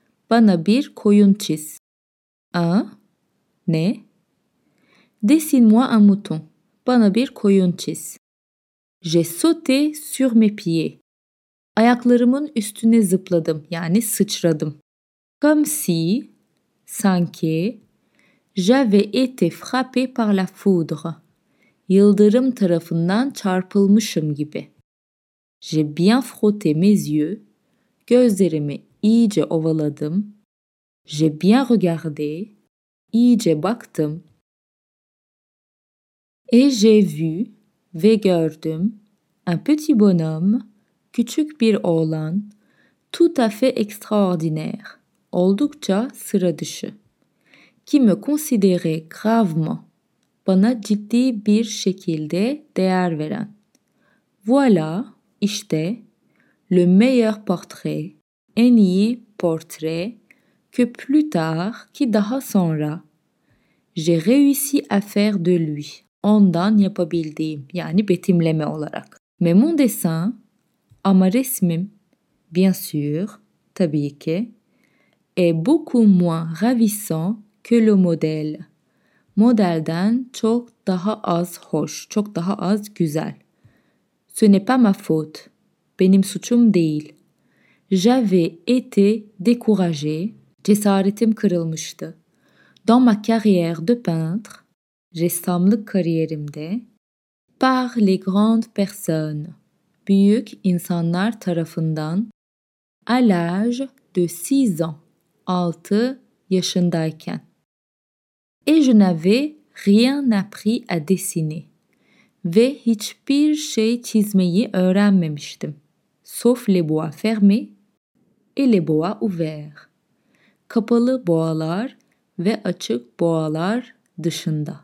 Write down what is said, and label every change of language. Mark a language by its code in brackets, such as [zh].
[tr] Bana bir koyun çiz. Un, ne? [fr] Dessine-moi un mouton. [tr] Bana bir koyun çiz. [fr] J'ai sauté sur mes pieds. [tr] Ayaklarımın üstüne zıpladım, yani sıçradım. [fr] Comme si, [tr] sanki, [fr] j'avais été frappé par la foudre. [tr] Yıldırım tarafından çarpılmışım gibi. [fr] J'ai bien frotté mes yeux. [tr] Gözlerimi iyice ovaladım. [fr] J'ai bien regardé. [tr] İyice baktım. [fr] Et j'ai vu [tr] ve gördüm [fr] un petit bonhomme, [tr] küçük bir oğlan, [fr] tout à fait extraordinaire, [tr] oldukça sıra dışı, [fr] qui me considérait gravement, [tr] bana ciddi bir şekilde değer veren. [fr] Voilà, [tr] işte, [fr] le meilleur portrait, [tr] en iyi portre, [fr] que plus tard, [tr] ki daha sonra, [fr] j'ai réussi à faire de lui. [tr] Ondan yapabildiğim, yani betimleme olarak. [fr] Mais mon dessin, [tr] ama resmim, [fr] bien sûr, [tr] tabii ki, [fr] est beaucoup moins ravissant que le modèle. [tr] Modelden çok daha az hoş, çok daha az güzel. [fr] Ce n'est pas ma faute, [tr] benim suçum değil. [fr] J'avais été découragé, [tr] cesaretim kırılmıştı. [fr] Dans ma carrière de peintre, [tr] ressamlık kariyerimde, [fr] par les grandes personnes, [tr] büyük insanlar tarafından, [fr] à l'âge de 6 ans, [tr] 6 yaşındayken. [fr] Et je n'avais rien appris à dessiner. [tr] Ve hiçbir şey çizmeyi öğrenmemiştim, [fr] sauf les bois fermés et les bois ouverts. [tr] Kapalı boğalar ve açık boğalar dışında.